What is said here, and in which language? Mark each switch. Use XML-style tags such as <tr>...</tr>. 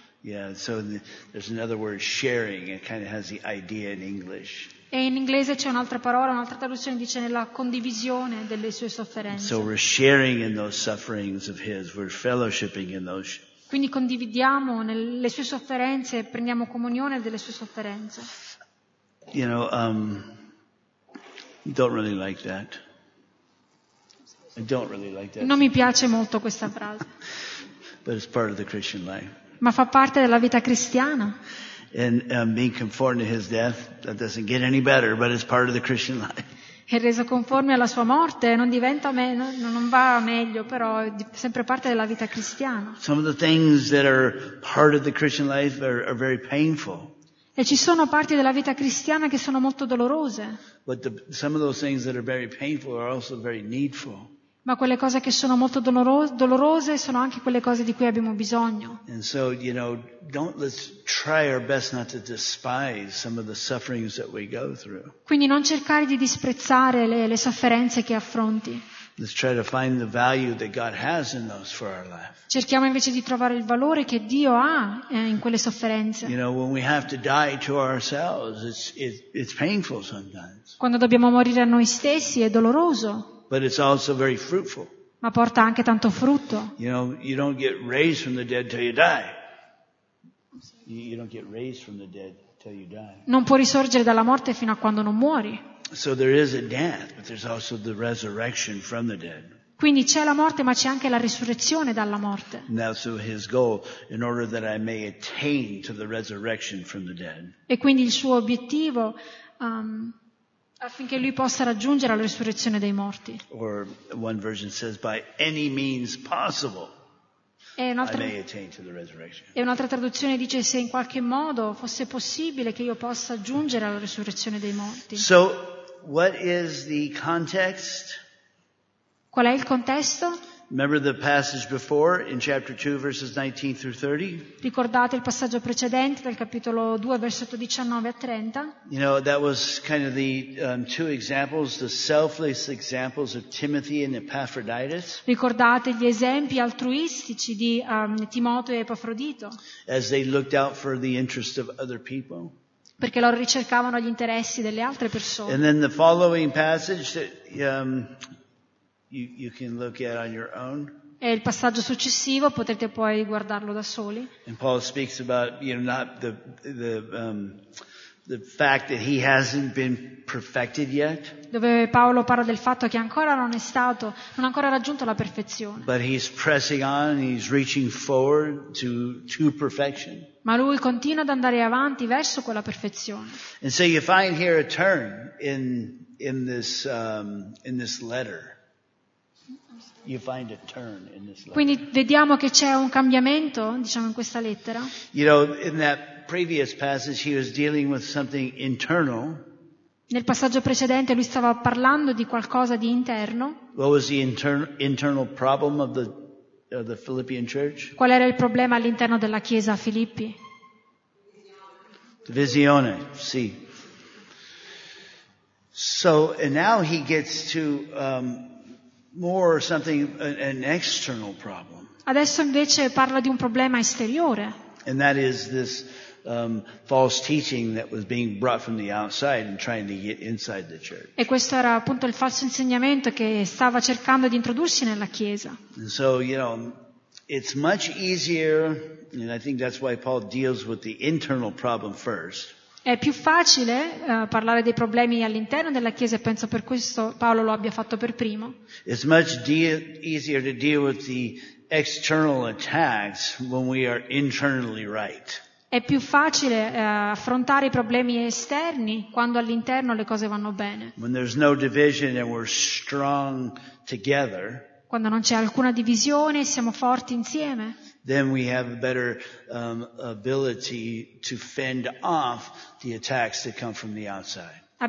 <en>Yeah, so there's another word, sharing. It kind of has the idea in English.</en> <it>E in inglese c'è un'altra parola, un'altra traduzione dice nella condivisione delle sue sofferenze.</it> <en>So we're sharing in those sufferings of his. We're fellowshipping in those.</en> <it>Quindi condividiamo nelle sue sofferenze, prendiamo comunione delle sue sofferenze.</it> <en>You know, don't really like that. I don't really like that.</en> <it>Non mi piace molto questa frase.</it> <en>But it's part of the Christian life.</en> <it>Ma fa parte della vita cristiana.</it> <en>And being conformed to his death, that doesn't get any better, but it's part of the Christian life.</en> <it>E reso conforme alla sua morte, non va meglio, però è sempre parte della vita cristiana.</it> <en>Some of the things that are part of the Christian life are very painful.</en> <it>E ci sono parti della vita cristiana che sono molto dolorose.</it> <en>But some of those things that are very painful are also very needful.</en> <it>Ma quelle cose che sono molto dolorose sono anche quelle cose di cui abbiamo bisogno.</it> <en>And so, you know, let's try our best not to despise some of the sufferings that we go through.</en> <it>Quindi non cercare di disprezzare le sofferenze che affronti.</it> <en>Let's try to find the value that God has in those for our life.</en> <it>Cerchiamo invece di trovare il valore che Dio ha in quelle sofferenze.</it> <en>You know, when we have to die to ourselves, it's painful sometimes.</en> <it>Quando dobbiamo morire a noi stessi è doloroso.</it> <en>But it's also very fruitful.</en> <it>Ma porta anche tanto frutto.</it> <en>You know, you don't get raised from the dead till you die. You don't get raised from the dead till you die.</en> <it>Non può risorgere dalla morte fino a quando non muori.</it> <en>So there is a death, but there's also the resurrection from the dead.</en> <it>Quindi c'è la morte, ma c'è anche la risurrezione dalla morte.</it> <en>Now, so his goal, in order that I may attain to the resurrection from the dead.</en> <it>E quindi il suo obiettivo. Affinché lui possa raggiungere la risurrezione dei morti.</it> <en>Or one version says by any means possible.</en> <it>E un'altra traduzione dice se in qualche modo fosse possibile che io possa giungere alla risurrezione dei morti.</it> <en>So what is the context?</en> <it>Qual è il contesto?</it> <en>Remember the passage before in chapter 2 verses 19 through 30?</en> <it>Ricordate il passaggio precedente del capitolo 2 versetto 19 a 30?</it> <en>You know, that was kind of the two examples, the selfless examples of Timothy and Epaphroditus.</en> <it>Ricordate gli esempi altruistici di Timoteo e Epafrodito?</it> <en>As they looked out for the interest of other people.</en> <it>Perché loro ricercavano gli interessi delle altre persone.</it> <en>And then the following passage that you can look at on your own.</en> <it>E il passaggio successivo potete poi guardarlo da soli.</it> <en>And Paul speaks about, you know, not the fact that he hasn't been perfected yet.</en> <it>Dove Paolo parla del fatto che ancora non ha ancora raggiunto la perfezione.</it> <en>But he's pressing on, and he's reaching forward to perfection.</en> <it>Ma lui continua ad andare avanti verso quella perfezione.</it> <en>And so you find here a turn in this letter. You find a turn in this letter.</en> <it>Quindi vediamo che c'è un cambiamento, diciamo, in questa lettera.</it> <en>You know, in that previous passage he was dealing with something internal.</en> <it>Nel passaggio precedente lui stava parlando di qualcosa di interno.</it> <en>What was the internal problem of the Philippian church?</en> <it>Qual era il problema all'interno della chiesa a Filippi? Divisione, sì.</it> <en>So, and now he gets to more something, an external problem.</en> <it>Adesso invece parla di un problema esteriore.</it> <en>And that is this false teaching that was being brought from the outside and trying to get inside the church.</en> <it>E questo era appunto il falso insegnamento che stava cercando di introdursi nella chiesa.</it> <en>And so, you know, it's much easier, and I think that's why Paul deals with the internal problem first.</en> <it>È più facile parlare dei problemi all'interno della chiesa, e penso per questo Paolo lo abbia fatto per primo.</it> <en>It's much easier to deal with the external attacks when we are internally right.</en> <it>È più facile affrontare i problemi esterni quando all'interno le cose vanno bene.</it> <en>When there's no division and we're strong together.</en> <it>Quando non c'è alcuna divisione e siamo forti insieme.</it> <en>Then we have a better ability to fend off the attacks that come from the outside.</en>